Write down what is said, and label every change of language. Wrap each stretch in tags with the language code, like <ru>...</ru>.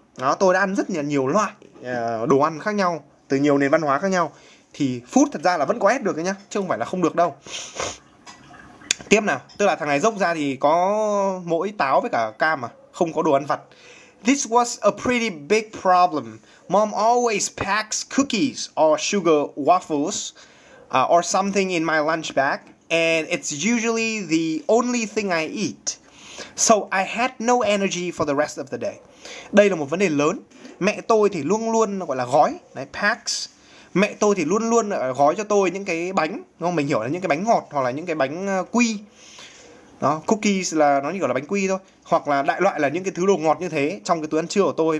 <vi>Đó, tôi đã ăn rất nhiều loại đồ ăn khác nhau, từ nhiều nền văn hóa khác nhau. Thì food thật ra là vẫn có ép được đấy nhá, chứ không phải là không được đâu. Tiếp nào, tức là thằng này dốc ra thì có mỗi táo với cả cam à, không có đồ ăn vặt.</vi> <en>This was a pretty big problem. Mom always packs cookies or sugar waffles or something in my lunch bag, and it's usually the only thing I eat. So I had no energy for the rest of the day.</en> <vi>Đây là một vấn đề lớn. Mẹ tôi thì luôn luôn gọi là gói, đấy, packs. Mẹ tôi thì luôn luôn gói cho tôi những cái bánh, đúng không? Mình hiểu là những cái bánh ngọt hoặc là những cái bánh quy. Đó, cookies là nó như gọi là bánh quy thôi, hoặc là đại loại là những cái thứ đồ ngọt như thế trong cái túi ăn trưa của tôi.</vi>